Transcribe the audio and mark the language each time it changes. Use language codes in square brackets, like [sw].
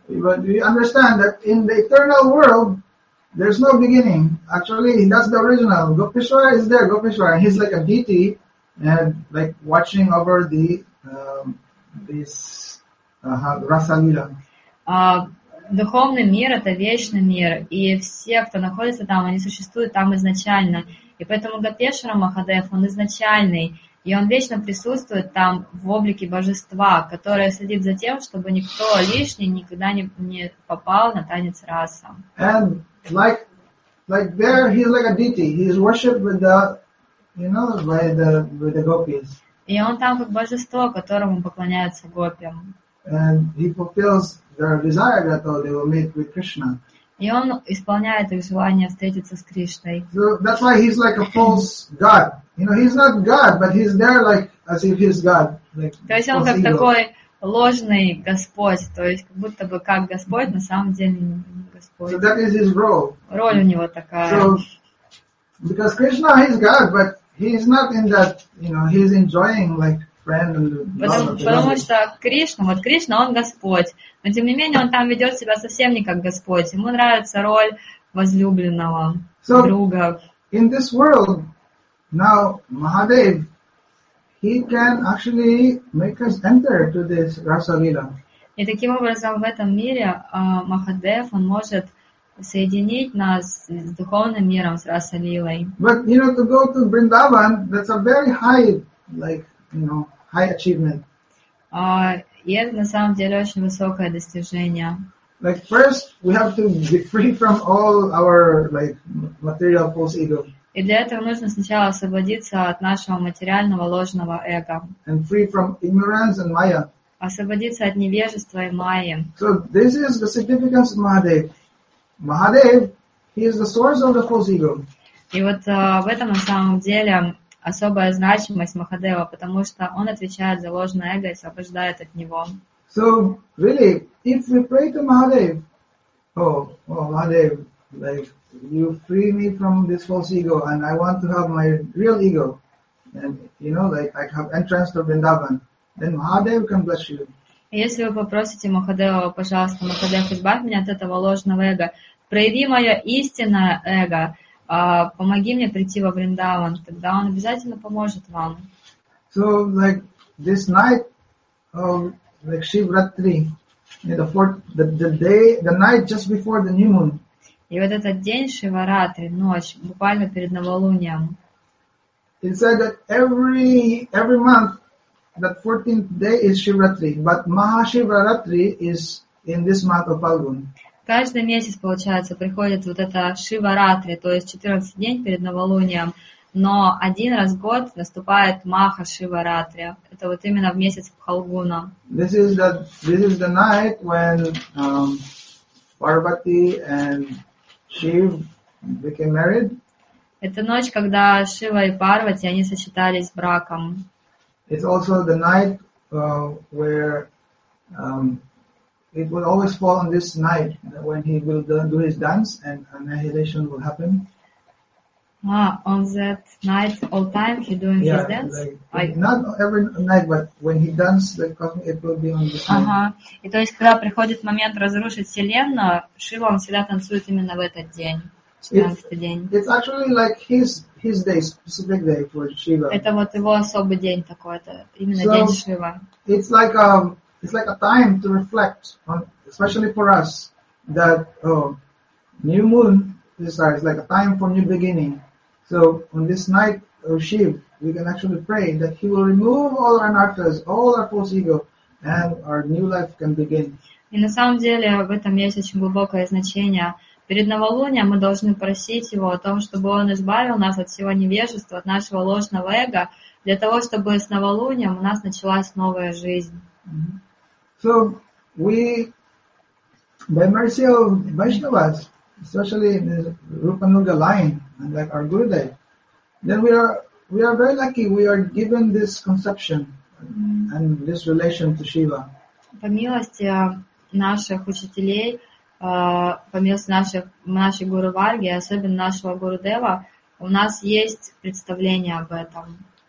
[en] But you understand that in the eternal world, there's no beginning. Actually, that's the original. Gopeshwar is there, Gopeshwar. He's like a deity and watching over the Rasa Lila. [ru] Духовный мир — это вечный мир, и все, кто находится там, они существуют там изначально. И поэтому Гопешвара Махадев, он изначальный, и он вечно присутствует там в облике божества, которое следит за тем, чтобы никто лишний никогда не попал на танец Раса. [en] And like there he's like a deity, he's worshipped with the, by the gopis. [ru] И он там как божество, которому поклоняются гопи. [en] And he fulfills their desire that they will meet with Krishna. [ru] И он исполняет их желание встретиться с Кришной. [en] So that's why he's like a false god. He's not god, but he's there as if he's god. [ru] То есть он как такой ложный господь, то есть как будто бы как господь, на самом деле не господь. [en] So that is his role. [ru] Роль у него такая. [en] So because Krishna is god, but he's not in that. He's enjoying [ru] Потому что Кришна, вот Кришна, он Господь. Но тем не менее, он там ведет себя совсем не как Господь. Ему нравится роль возлюбленного, друга. [en] In this world, now Mahadev, he can actually make us enter to this Rasa Lila. [ru] И таким образом в этом мире Махадев он может соединить нас с духовным миром, с Раса Лилой. [en] But you know, to go to Vrindavan, that's a very high, like, you know, high achievement. [ru] И это на самом деле очень высокое достижение. [en] Like first, we have to be free from all our like material false ego. [ru] И для этого нужно сначала освободиться от нашего материального ложного эго. [en] And free from ignorance and maya. [ru] Освободиться от невежества и майи. [en] So this is the significance of Mahadev. Mahadev, he is the source of the false ego. [ru] И вот в этом на самом деле особая значимость Махадева, потому что он отвечает за ложное эго и освобождает от него. [en] So really, if we pray to Mahadev, Mahadev, like you free me from this false ego and I want to have my real ego, and you know, like I have entrance to Vrindavan, then Mahadev can bless you. [ru] Если вы попросите Махадева, пожалуйста, Махадев, избавь меня от этого ложного эго, прояви мое истинное эго, помоги мне прийти во Вриндаван, тогда он обязательно поможет вам. [en] So, like, this night of like Shivratri, the night just before the new moon. [ru] И вот этот день Шиваратри, ночь, буквально перед новолунием. [en] It said that every month that 14th day is Shivratri, but Mahashivratri is in this month of Phalgun. [ru] Каждый месяц, получается, приходит вот это Шиваратри, то есть 14 день перед новолунием, но один раз в год наступает Маха Шиваратри. Это вот именно в месяц Пхалгуна. [en] This is the night when Parvati and Shiv became married. [ru] Это ночь, когда Шива и Парвати, они сочетались браком. [en] It's also the night where it will always fall on this night when he will do his dance and annihilation will happen. On that night, all time, he doing yeah, his dance? Like, not every night, but when he dance, the cosmic, it will be on this night. [ru] И то есть, когда приходит момент разрушить Вселенную, Шива, он всегда танцует именно в этот день. [en] It's actually like his day, specific day for Shiva. [ru] Это вот его особый день такой-то, именно день Шива. [en] It's like a time to reflect on, especially for us, that new moon is like a time for new beginning. So on this night of Shiva, we can actually pray that he will remove all our anarthas, all our false ego, and our new life can begin. [ru] И на самом деле в этом есть очень глубокое значение. Перед новолунием мы должны просить его о том, чтобы он избавил нас от всего невежества, от нашего ложного эго, для того, чтобы с новолунием у нас началась новая жизнь. Mm-hmm. [en] So we, by mercy of Vaishnavas, especially in the Rupa Nuga line, and like our Gurudev, then we are very lucky, we are given this conception and this relation to Shiva. [ru] По милости наших учителей, по милости нашей Гуру Варги, особенно нашего Гуру Дева, у нас есть представление об этом.